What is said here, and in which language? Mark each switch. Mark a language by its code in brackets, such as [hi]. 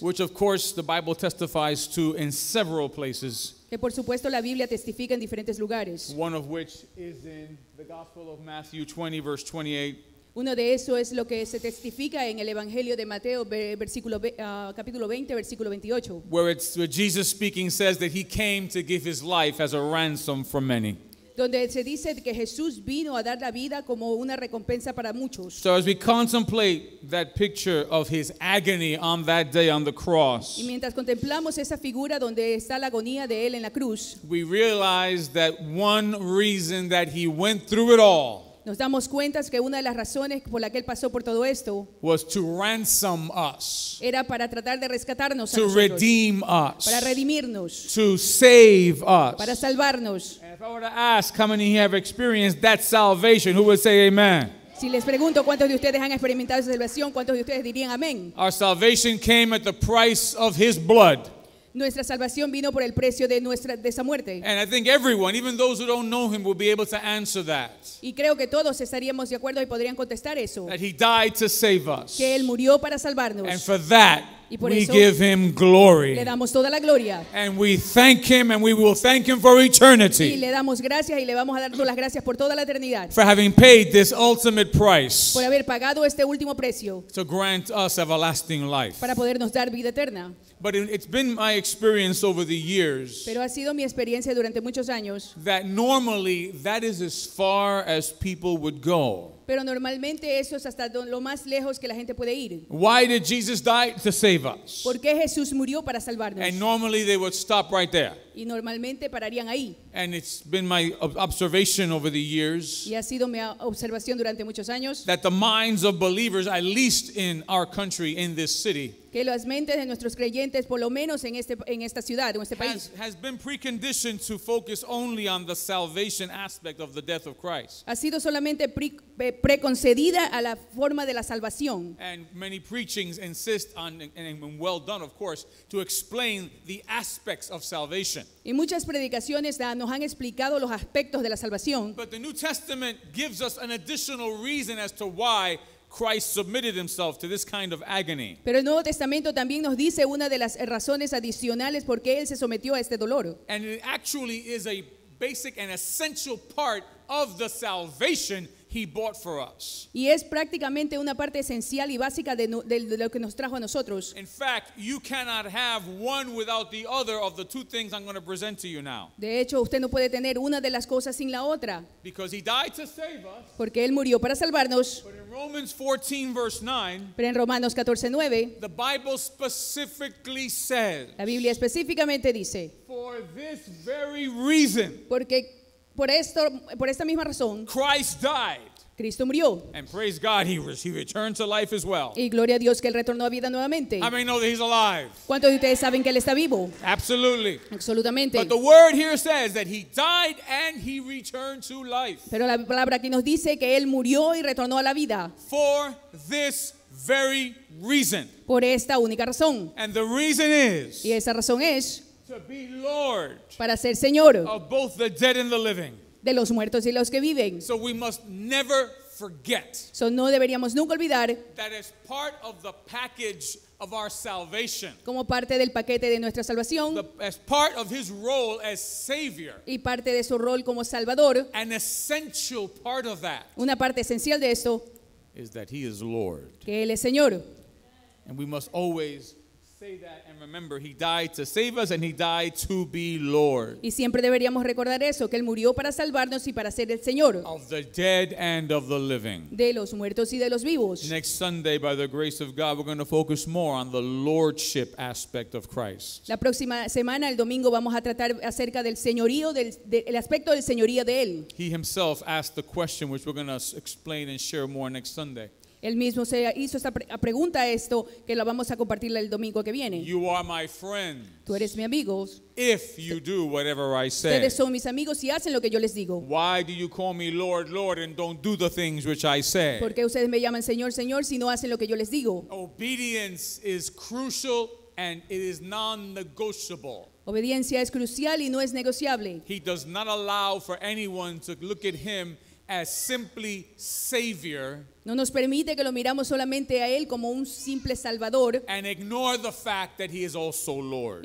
[en] Which of course the Bible testifies to in several places. [es] Que por supuesto la Biblia testifica en diferentes lugares. [en] One of which is in the Gospel of Matthew 20 verse 28. [es] Uno de eso es lo que se testifica en el Evangelio de Mateo capítulo 20 versículo 28. [en] Where Jesus speaking says that he came to give his life as a ransom for many. [es] Donde se dice que Jesús vino a dar la vida como una recompensa para muchos. [en] So as we contemplate that picture of his agony on that day on the cross, [es] y mientras contemplamos esa figura donde está la agonía de él en la cruz, [en] we realize that one reason that he went through it all, [es] nos damos cuenta que una de las razones por la que él pasó por todo esto, [en] was to ransom us, [es] era para tratar de rescatarnos, [en] to redeem us, [es] para redimirnos, [en] to save us, [es] para salvarnos. [en] If I were to ask how many have experienced that salvation, who would say amen? [es] Si les pregunto cuántos de ustedes han experimentado esa salvación, cuántos de ustedes dirían amén? [en] Our salvation came at the price of his blood. [es] Nuestra salvación vino por el precio de esa muerte. [en] And I think everyone, even those who don't know him, will be able to answer that. [es] Y creo que todos estaríamos de acuerdo y podrían contestar eso. [en] That he died to save us. [es] Que él murió para salvarnos. [en] And for that, we give him glory. [es] Le damos toda la gloria. [en] And we thank him and we will thank him for eternity. [es] Y le damos gracias y le vamos a dar las gracias por toda la eternidad. [en] For having paid this ultimate price. [es] Por haber pagado este último precio. [en] To grant us everlasting life. [es] Para podernos dar vida eterna. [en] But it's been my experience over the years. [es] Pero ha sido mi experiencia durante muchos años. [en] That normally that is as far as people would go. [es] Pero normalmente eso es hasta lo más lejos que la gente puede ir. [en] Why did Jesus die? To save us. [es] ¿Por qué Jesús murió para salvarnos? [en] And normally they would stop right there. [es] Y normalmente pararían ahí. [en] And it's been my observation over the years. [es] Y ha sido mi observación durante muchos años. [en] That the minds of believers, at least in our country, in this city, [es] que las mentes de nuestros creyentes, por lo menos en esta ciudad, en este país, [en] has been preconditioned to focus only on the salvation aspect of the death of Christ. [es] Ha sido solamente preconcedida a la forma de la salvación. [en] And many preachings insist on, and well done, of course, to explain the aspects of salvation. [es] Y muchas predicaciones nos han explicado los aspectos de la salvación. [en] But the New Testament gives us an additional reason as to why Christ submitted himself to this kind of agony. [es] Pero el Nuevo Testamento también nos dice una de las razones adicionales por qué él se sometió a este dolor. [en] And it actually is a basic and essential part of the salvation he bought for us. [es] Y es prácticamente una parte esencial y básica de lo que nos trajo a nosotros. [en] In fact, you cannot have one without the other of the two things I'm going to present to you now. [es] De hecho, usted no puede tener una de las cosas sin la otra. [en] Because he died to save us. [es] Porque él murió para salvarnos. [en] But in Romans 14 verse 9. [es] Pero en Romanos 14:9. [en] The Bible specifically says. [es] La Biblia específicamente dice. [en] For this very reason. [es] Porque por esta misma razón, [en] Christ died. [es] Cristo murió. [en] And praise God, he returned to life as well. [es] Y gloria a Dios que él retornó a vida nuevamente. [en] How many know that he's alive? [es] ¿Cuántos de ustedes saben que él está vivo? [en] Absolutely. [es] Absolutamente. [en] But the word here says that he died and he returned to life. [es] Pero la palabra aquí nos dice que él murió y retornó a la vida. [en] For this very reason. [es] Por esta única razón. [en] And the reason is. [es] Y esa razón es. [en] To be Lord, [es] para ser Señor, [en] of both the dead and the living, [es] de los muertos y los que viven. [en] So we must never forget, [es] so no deberíamos nunca olvidar, [en] that is part of the package of our salvation, [es] como parte del paquete de nuestra salvación, [en] as part of his role as Savior, [es] y parte de su rol como Salvador, [en] an essential part of that, [es] una parte esencial de esto, [en] is that he is Lord, [es] que él es Señor, [en] and we must always say that and remember he died to save us and he died to be Lord. [es] Y siempre deberíamos recordar eso, que él murió para salvarnos y para ser el Señor. [en] Of the dead and of the living. [es] De los muertos y de los vivos. [en] Next Sunday, by the grace of God, we're going to focus more on the lordship aspect of Christ. [es] La próxima semana, el domingo, vamos a tratar acerca del señorío, del aspecto del señorío de él. [en] He himself asked the question, which we're going to explain and share more next Sunday. [es] Él mismo se hizo esta pregunta, esto que la vamos a compartir el domingo que viene. [en] You are my friends. [es] Tú eres mi amigo. [en] If you do whatever I say. [es] Ustedes son mis amigos si hacen lo que yo les digo. [en] Why do you call me Lord, Lord and don't do the things which I say? [es] ¿Por qué ustedes me llaman Señor, Señor si no hacen lo que yo les digo? [en] Obedience is crucial and it is non-negotiable. [es] Obediencia es crucial y no es negociable. [en] He does not allow for anyone to look at him as simply savior. [es] No nos permite que lo miramos solamente a él como un simple salvador. [en] And ignore the fact that he is also Lord.